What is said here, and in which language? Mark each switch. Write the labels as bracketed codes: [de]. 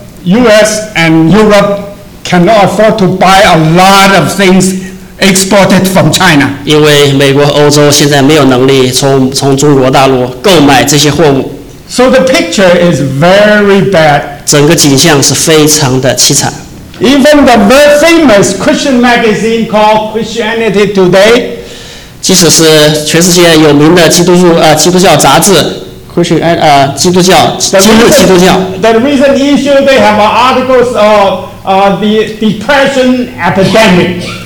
[en] U.S. and Europe cannot afford to buy a lot of things exported from China. [zh] 因为美国、欧洲现在没有能力从中国大陆购买这些货物。 [en] So the picture is very bad. [zh] 整个景象是非常的凄惨。 [en] Even the very famous Christian magazine called Christianity Today, [zh] 即使是全世界有名的基督教杂志，基督教，今日基督教。 [en] The recent issue, they have articles of the depression epidemic.